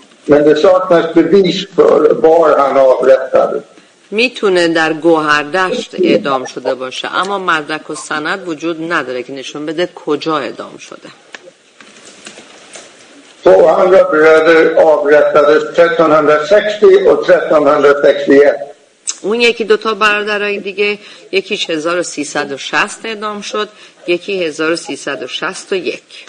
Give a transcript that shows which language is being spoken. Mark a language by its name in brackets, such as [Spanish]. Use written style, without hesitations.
[Swedish] Men det saknas bevis för var han avrättade. [Persian] میتونه در گوهردشت اعدام شده باشه اما مدرک و سند وجود نداره که نشون بده کجا اعدام شده. [Swedish] Två andra bröder avrättades 1360 och 1361. [Persian] اون یکی دوتا برادرهای دیگه یکیش 1360 اعدام شد یکی 1361.